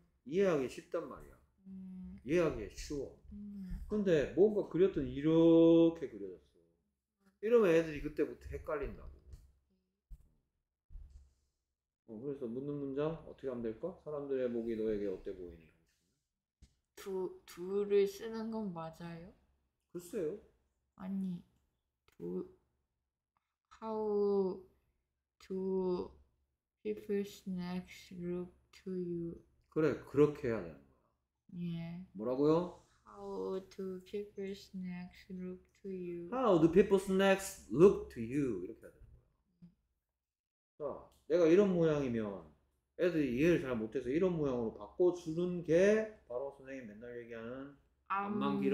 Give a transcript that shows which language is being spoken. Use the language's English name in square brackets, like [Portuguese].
[Korean] 이해하기 쉽단 말이야. 이해하기 쉬워. 근데 뭔가 그렸더니 이렇게 그려졌어. 이러면 애들이 그때부터 헷갈린다고. 그래서 묻는 문장 어떻게 하면 될까? 사람들의 목이 너에게 어때 보이니? 둘을 쓰는 건 맞아요? 글쎄요. [English] 아니, how do people's necks look to you? [Korean] 그래, 그렇게 해야 되는 거야. 예. 뭐라고요? [English] How do people's necks look to you? How do people's necks look to you? [Korean] 이렇게 해야 되는 거야. 자, 내가 이런 모양이면 애들이 이해를 잘 못해서 이런 모양으로 바꿔주는 게 바로 선생님 맨날 얘기하는 암만